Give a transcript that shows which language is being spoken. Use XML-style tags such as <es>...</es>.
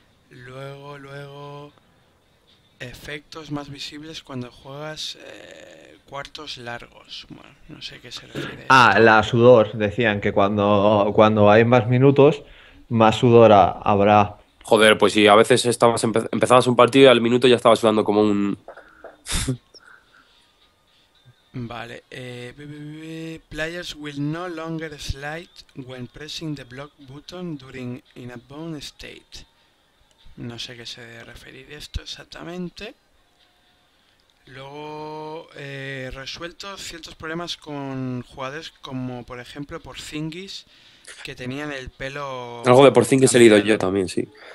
<es>Luego efectos más visibles cuando juegas cuartos largos. Bueno, no sé qué se refiere. Ah, la sudor, decían que cuando hay más minutos, más sudor habrá. Joder, pues si a veces estabas empezabas un partido y al minuto ya estabas sudando como un...</es> <en>Vale, players will no longer slide when pressing the block button during in a bone state.</en> <es>No sé qué se debe referir esto exactamente. Luego, resuelto ciertos problemas con jugadores como, por ejemplo, Porzingis, que tenían el pelo... Algo de Porzingis he leído yo también, sí.</es>